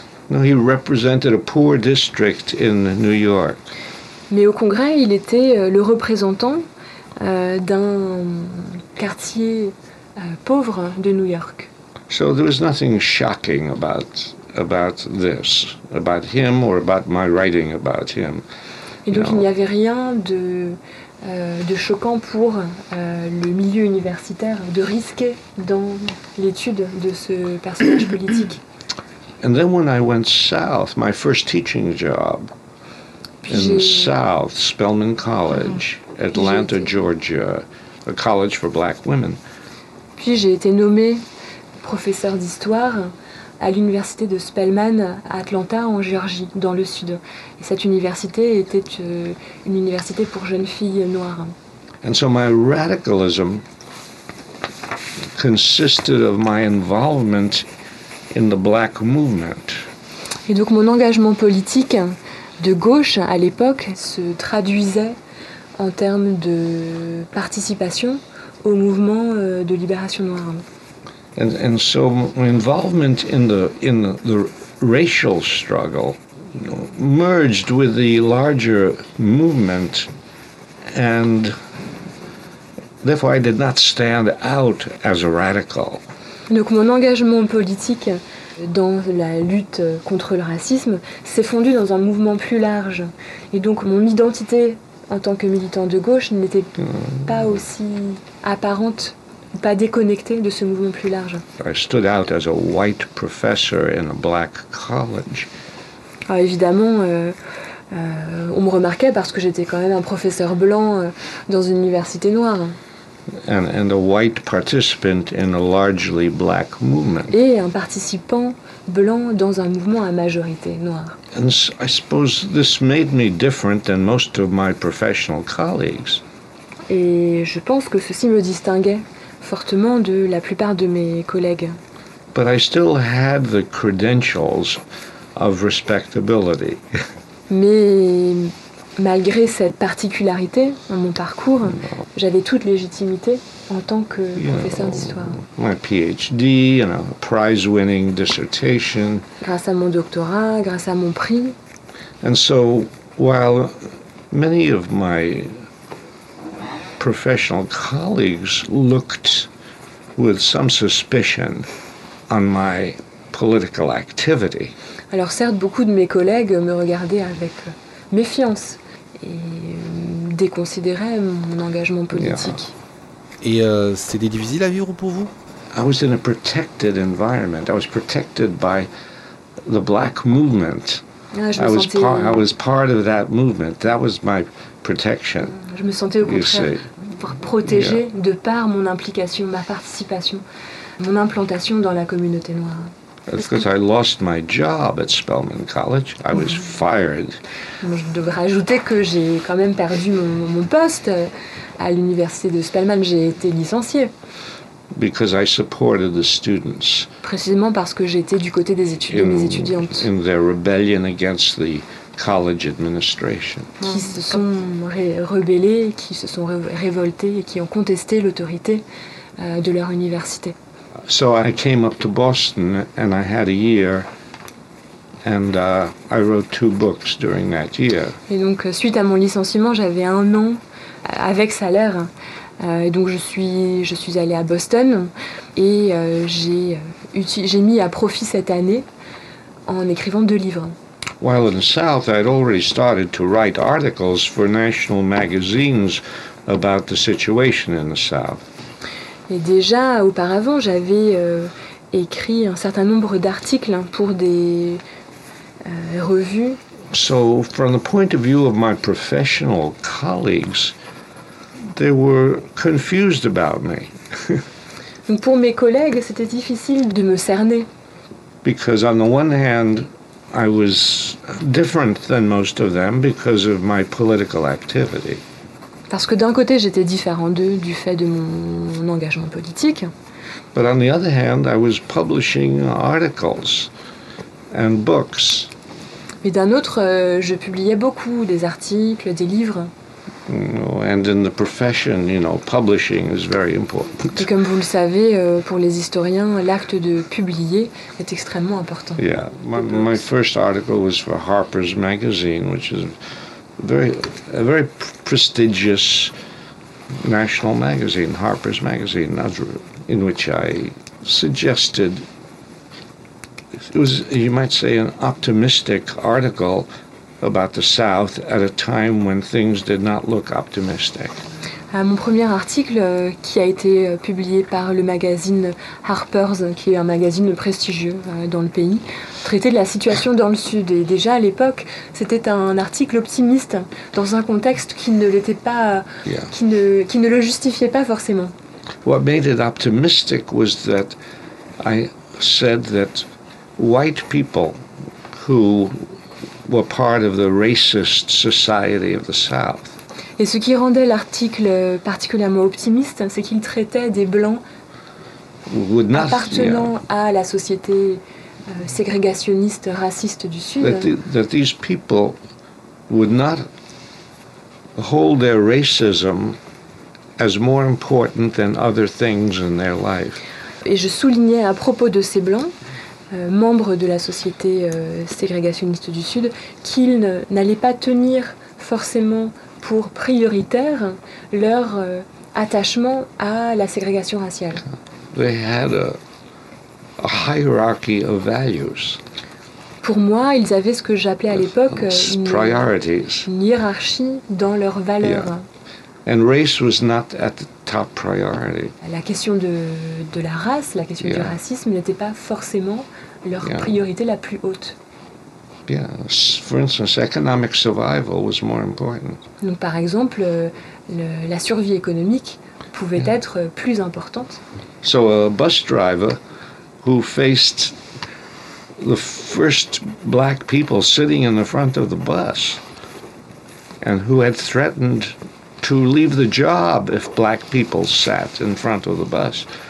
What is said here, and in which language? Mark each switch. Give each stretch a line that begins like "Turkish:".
English: No, he represented a poor district in New York.
French: Mais au Congrès, il était le représentant d'un quartier pauvre de New York.
English: So there was nothing shocking about this, about him or about my writing about him.
French: Et donc, il n'y avait rien de choquant pour le milieu universitaire de risquer dans l'étude de ce personnage politique.
English: And then when I went south, my first teaching job in the south, Spelman College, Atlanta, Georgia, a college for black women.
French: Puis j'ai été nommée professeur d'histoire à l'université de Spelman à Atlanta en Géorgie, dans le sud. Et cette université était une université pour jeunes filles noires.
English: And so my radicalism consisted of my involvement in the black movement.
French: Et donc mon engagement politique de gauche à l'époque se traduisait en termes de participation au mouvement de libération noire.
English: And so my involvement in the racial struggle merged with the larger movement, and therefore I did not stand out as a radical.
French: Donc mon engagement politique dans la lutte contre le racisme s'est fondu dans un mouvement plus large, et donc mon identité en tant que militant de gauche n'était pas aussi apparente, pas déconnecté de ce mouvement plus large.
English: I stood out as a white professor in a black college.
French: Alors évidemment, on me remarquait parce que j'étais quand même un professeur blanc dans une université noire.
English: and a white participant in a largely black movement.
French: Et un participant blanc dans un mouvement à majorité noire.
English: And so, I suppose this made me different than most of my professional colleagues.
French: Et je pense que ceci me distinguait fortement de la plupart de mes collègues.
English: But I still had the credentials of respectability.
French: Mais malgré cette particularité dans mon parcours, j'avais toute légitimité en tant que professeur d'histoire.
English: My PhD, you know, prize-winning dissertation.
French: Grâce à mon doctorat, grâce à mon prix.
English: And so, while many of my professional colleagues looked with some suspicion on my political activity.
French: Alors certes, beaucoup de mes collègues me regardaient avec méfiance et déconsidéraient mon engagement politique.
English: Yeah.
French: Et c'était difficile à vivre pour vous?
English: I was in a protected environment. I was protected by the black movement. I was part of that movement. That was my protection.
French: Je me sentais au contraire protégé de par mon implication, ma participation, mon implantation dans la communauté noire.
English: Because I lost my job at Spelman College, I was fired.
French: Je devrais ajouter que j'ai quand même perdu mon poste à l'université de Spelman. J'ai été licencié.
English: Because I supported the students.
French: Précisément parce que j'étais du côté des étudiants, mes étudiantes.
English: In their rebellion against the college administration.
French: Qui se sont rebellés, qui se sont révoltés et qui ont contesté l'autorité de leur université.
English: So I came up to Boston and I had a year and I wrote two books during that year.
French: Et donc suite à mon licenciement, j'avais un an avec salaire. Et donc je suis allée à Boston et j'ai mis à profit cette année en écrivant deux livres.
English: While in the South, I'd already started to write articles for national magazines about the situation in the South.
French: Et déjà, auparavant, j'avais écrit un certain nombre d'articles pour des revues.
English: So, from the point of view of my professional colleagues, they were confused about me.
French: Donc pour mes collègues, c'était difficile de me cerner.
English: Because on the one hand, I was different than most of them because of my political activity.
French: Parce que d'un côté, j'étais différent d'eux du fait de mon engagement politique.
English: But on the other hand, I was publishing articles and books.
French: Mais d'un autre, je publiais beaucoup des articles, des livres.
English: And in the profession, you know, publishing is very important.
French: Et comme vous le savez, pour les historiens, l'acte de publier est extrêmement important.
English: Yeah, my first article was for Harper's Magazine, which is a very prestigious national magazine, Harper's Magazine, in which I suggested, it was, you might say, an optimistic article about the South at a time when things did not look optimistic.
French: Mon premier article qui a été publié par le magazine Harper's, qui est un magazine prestigieux dans le pays, traitait de la situation dans le Sud. Et déjà à l'époque, c'était un article optimiste dans un contexte qui ne l'était pas, qui ne le justifiait pas forcément.
English: What made it optimistic was that I said that white people who were part of the racist society of the South.
French: Et ce qui rendait l'article particulièrement optimiste, c'est qu'il traitait des blancs appartenant à la société ségrégationniste raciste du Sud.
English: That these people would not hold their racism as more important than other things in their life.
French: Et je soulignais à propos de ces blancs, membres de la société ségrégationniste du Sud, qu'ils n'allaient pas tenir forcément pour prioritaire leur attachement à la ségrégation raciale.
English: They had a hierarchy of values.
French: Pour moi, ils avaient ce que j'appelais à l'époque une hiérarchie dans leurs valeurs.
English: Yeah. And race was not at the top priority.
French: La question de la race, la question du racisme n'était pas forcément leur priorité la plus haute.
English: Yes. For instance, economic survival was more important.
French: Donc, par exemple, la survie économique pouvait être plus importante.
English: So a bus driver who faced the first black people sitting in the front of the bus and who had threatened to leave the job if black people sat in front of the bus.